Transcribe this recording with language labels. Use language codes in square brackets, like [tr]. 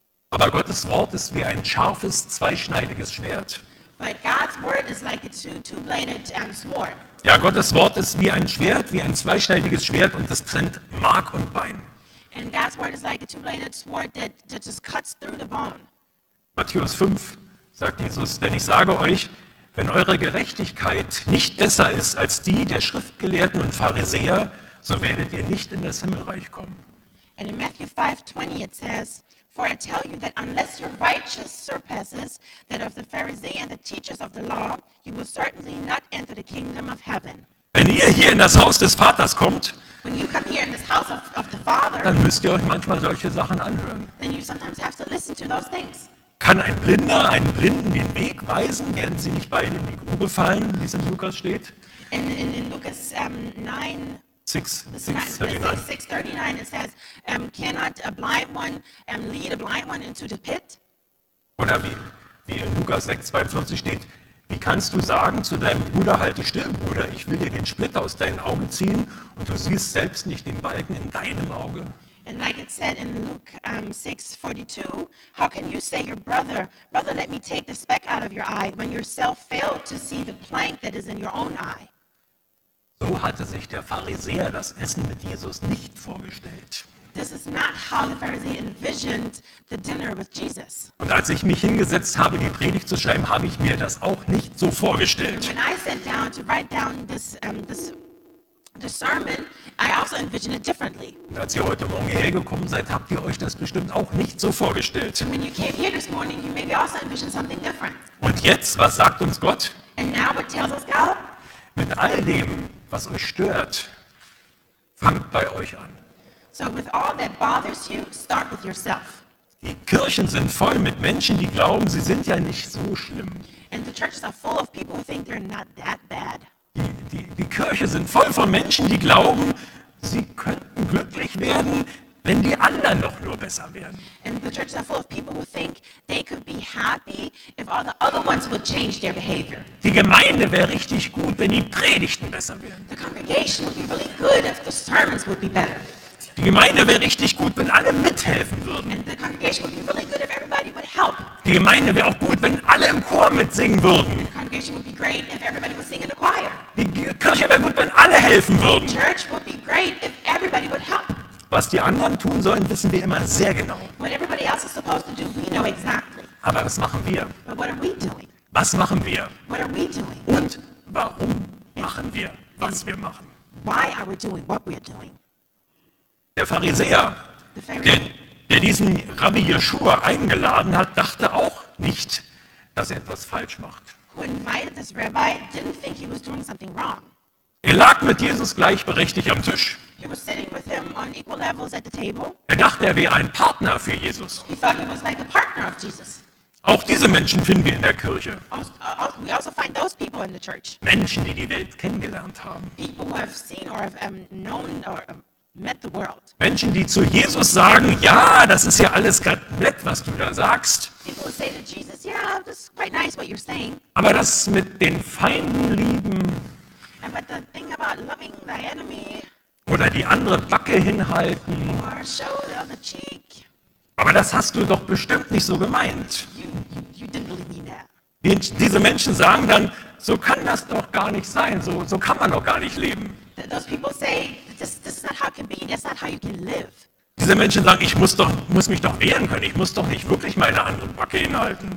[de] Aber Gottes Wort ist wie ein scharfes, zweischneidiges Schwert. [en] But God's word is like a two-bladed sword. [de] Ja, Gottes Wort ist wie ein Schwert, wie ein zweischneidiges Schwert, und das trennt Mark und Bein. [en] And God's word is like a two-bladed sword that just cuts through the bone. [de] Matthäus 5 sagt Jesus: Denn ich sage euch, wenn eure Gerechtigkeit nicht besser ist als die der Schriftgelehrten und Pharisäer, so werdet ihr nicht in das Himmelreich kommen. [en] And in Matthew 5:20 it says, for I tell you that unless your righteousness surpasses that of the Pharisee and the teachers of the law, you will certainly not enter the kingdom of heaven. [de] Wenn ihr hier in das Haus des Vaters kommt, [en] when you come here in this house of the Father, [de] dann müsst ihr euch manchmal solche Sachen anhören. [en] Then you sometimes have to listen to those things. [de] Kann ein Blinder einen Blinden den Weg weisen? Werden sie nicht beide in die Grube fallen, wie es in Lukas steht? [en] In Lukas 6:39 it says, cannot a blind one lead a blind one into the pit? [de] Oder wie in Lukas 6:42 steht, wie kannst du sagen zu deinem Bruder, halte still, Bruder, ich will dir den Splitter aus deinen Augen ziehen, und du siehst selbst nicht den Balken in deinem Auge? [en] And like it said in Luke 6:42, how can you say your brother, let me take the speck out of your eye, when yourself failed to see the plank that is in your own eye? [de] So hatte sich der Pharisäer das Essen mit Jesus nicht vorgestellt. [en] This is not how the Pharisee envisioned the dinner with Jesus. [de] Und als ich mich hingesetzt habe, die Predigt zu schreiben, habe ich mir das auch nicht so vorgestellt. [en] When I sat down to write down this sermon, I also envisioned it differently. [de] Und als ihr heute Morgen hierher gekommen seid, habt ihr euch das bestimmt auch nicht so vorgestellt. [en] When you came here this morning, you maybe also envisioned something different. [de] Und jetzt, was sagt uns Gott? [en] And now what tells us God? [de] Mit all dem, was euch stört, fangt bei euch an. [en] So with all that bothers you, start with yourself. [de] Die Kirchen sind voll mit Menschen, die glauben, sie sind ja nicht so schlimm. [en] And the churches are full of people who think they're not that bad. [de] Die Kirche sind voll von Menschen, die glauben, sie könnten glücklich werden, wenn die anderen doch nur besser wären. [en] And the churches are full of people who think they could be happy if all the other ones would change their behavior. [de] Die Gemeinde wäre richtig gut, wenn die Predigten besser wären. [en] The congregation would be really good if the sermons would be better. [de] Die Gemeinde wäre richtig gut, wenn alle mithelfen würden. [en] And the congregation would be really good if everybody would help. [de] Die Gemeinde wäre auch gut, wenn alle im Chor mitsingen würden. [en] The congregation would be great if everybody would sing in the choir. [de] Die Kirche wäre gut, wenn alle helfen würden. [en] The church would be great if everybody would help. [de] Was die anderen tun sollen, wissen wir immer sehr genau. [en] What everybody else is supposed to do, we know exactly. [de] Aber was machen wir? [en] But what are we doing? [de] Was machen wir? [en] What are we doing? [de] Und warum machen wir, was wir machen? [en] Why are we doing what we are doing? [de] Der Pharisäer, der diesen Rabbi Yeshua eingeladen hat, dachte auch nicht, dass er etwas falsch macht. [en] Who invited this rabbi didn't think he was doing something wrong. [de] Er lag mit Jesus gleichberechtigt am Tisch. [en] He was sitting with him on equal levels at the table. [de] Er dachte, er wäre ein Partner für Jesus. [en] He thought he was like a partner of Jesus. [de] Auch diese Menschen finden wir in der Kirche. [en] We also find those people in the church. [de] Menschen, die die Welt kennengelernt haben. [en] People who have seen or have known or met the world. [de] Menschen, die zu Jesus sagen, ja, das ist ja alles ganz nett, was du da sagst. [en] People say to Jesus, yeah, this is quite nice what you're saying. [de] Aber das mit den Feinden lieben. [en] And but the thing about loving the enemy. [de] Oder die andere Backe hinhalten. [en] Or shoulder on the cheek. [de] Aber das hast du doch bestimmt nicht so gemeint. [en] You didn't really mean that. [de] Diese Menschen sagen dann, so kann das doch gar nicht sein, so kann man doch gar nicht leben. [en] Those people say, this is not how it can be, that's not how you can live. [de] Diese Menschen sagen, ich muss mich doch wehren können, ich muss doch nicht wirklich meine andere Backe hinhalten.